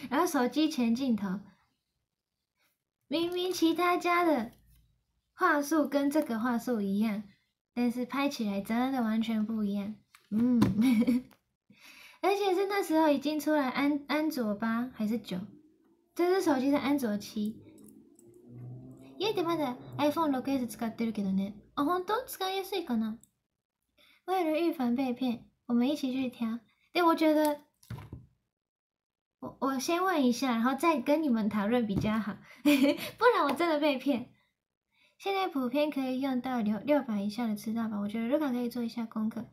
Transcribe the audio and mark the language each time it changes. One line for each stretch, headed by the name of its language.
Chinese: 然后手机前镜头，明明其他家的画素跟这个画素一样，但是拍起来真的完全不一样。而且是那时候已经出来安卓8还是9，这只手机是安卓7。
Japanese: 家でまだ iPhone 6S 使ってるけどね。あ、本当？使いやすいかな。
Chinese: 为了预防被骗，我们一起去挑。对，我觉得，我先问一下，然后再跟你们讨论比较好，不然我真的被骗。现在普遍可以用到600以下的吃到饱，我觉得 Luka 可以做一下功课。